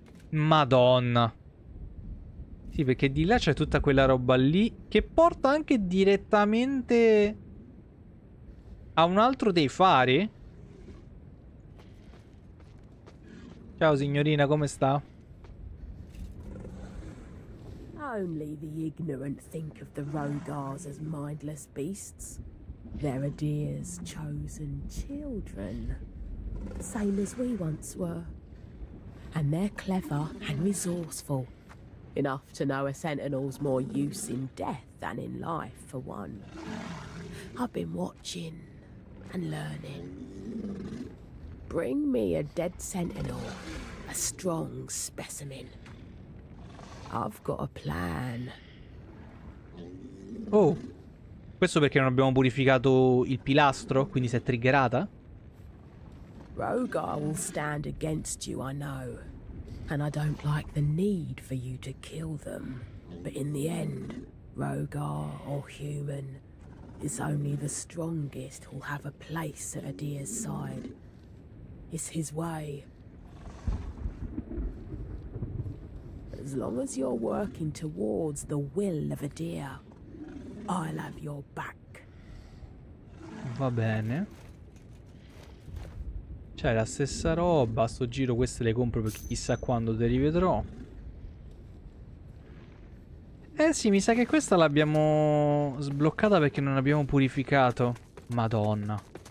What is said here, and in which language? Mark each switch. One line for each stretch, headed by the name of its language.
Italian: Madonna. Sì, perché di là c'è tutta quella roba lì che porta anche direttamente a un altro dei fari. Ciao signorina, come sta?
English: Only the ignorant think of the Rogars as mindless beasts. They're Adir's chosen children. Same as we once were. And they're clever and resourceful. Enough to know a sentinel's more use in death than in life, for one. I've been watching and learning. Bring me a dead sentinel, a strong specimen. I've got a plan.
Italian: Oh, questo perché non abbiamo purificato il pilastro, quindi si è triggerata?
English: Rogar will stand against you, I know. And I don't like the need for you to kill them. But in the end, Rogar or human, it's only the strongest who'll have a place at Adir's side. It's his way. As long as you're working towards the will of Adir, I'll have your back.
Italian: Va bene. Cioè, la stessa roba, sto giro queste le compro perché chissà quando te rivedrò. Sì, mi sa che questa l'abbiamo sbloccata perché non abbiamo purificato. Madonna.